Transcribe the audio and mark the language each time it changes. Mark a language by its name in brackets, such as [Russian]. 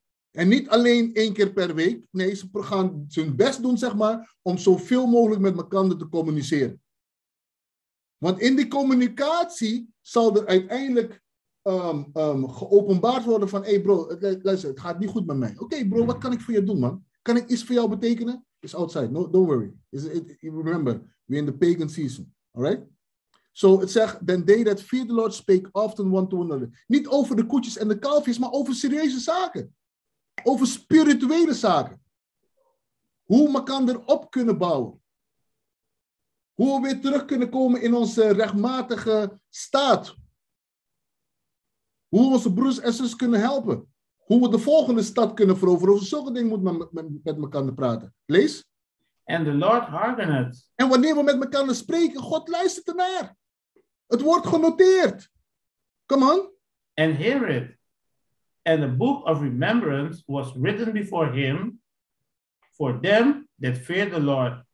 [Dutch] En niet alleen één keer per week. Nee, ze gaan hun best doen, zeg maar, om zoveel mogelijk met elkaar te communiceren. Want in die communicatie zal er uiteindelijk geopenbaard worden van, hey bro, luister, het gaat niet goed met mij. Oké, bro, wat kan ik voor je doen, man? Kan ik iets voor jou betekenen? [English] It's outside, no, don't worry. Remember, we're in the pagan season, all right? So it zegt, then they that fear the Lord speak often one to another. [Dutch] Niet over de koetjes en de kalfjes, maar over serieuze zaken. Over spirituele zaken. Hoe we kan erop kunnen bouwen. Hoe we weer terug kunnen komen in onze rechtmatige staat. Hoe we onze broers en zus kunnen helpen. Hoe we de volgende stad kunnen veroveren. Over zulke dingen moet men met elkaar praten. Lees. [English] And the Lord hardened. [Dutch] En wanneer we met elkaar spreken, God luistert ernaar. Het wordt genoteerd. [English] Come on. And hear it. And the book of remembrance was written before him for them that fear the Lord.